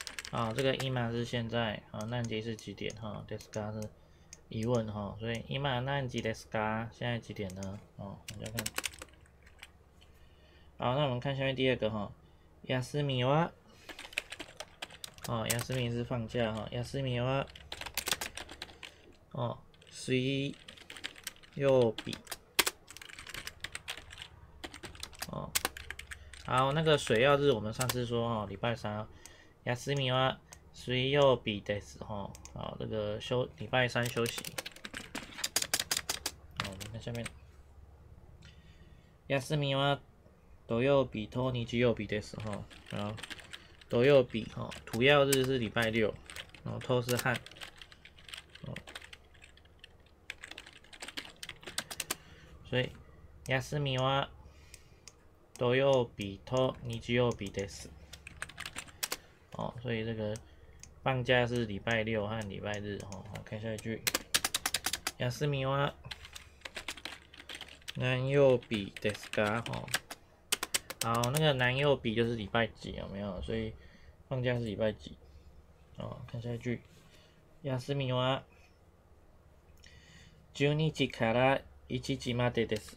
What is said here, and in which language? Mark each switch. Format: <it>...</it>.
<zh>啊，哦，这个今是现在啊，何時是几点？哈，ですか是疑问哈，哦，</zh> <ja>所以今何時ですか？</ja> <zh>现在几点呢？哦，大家看。好，那我们看下面第二个哈，休みは。哦，休み是放假哈，休みは。</zh> <ja>哦，水曜日。</ja> <zh>哦，好，那个水曜日我们上次说哈，礼拜三。</zh> <ja>休みは水曜日です。</ja> <zh>哈，哦，好，这个休礼拜三休息。哦，我们看下面。</zh> <ja>休みは土曜日と日曜日です。</ja> <zh>哈，哦，好。土曜日哦，土曜日是礼拜六，然后偷是汗。哦，所以</zh> <ja>休みは土曜日と日曜日です。</ja> <zh>哦，所以这个放假是礼拜六和礼拜日哦。好，看下一句，</zh> <ja>休みは何曜日ですか？</ja> <zh>哦，好，那个何曜日就是礼拜几有没有？所以放假是礼拜几？哦，看下一句。</zh> <ja>休みは12時から1時までです。</ja>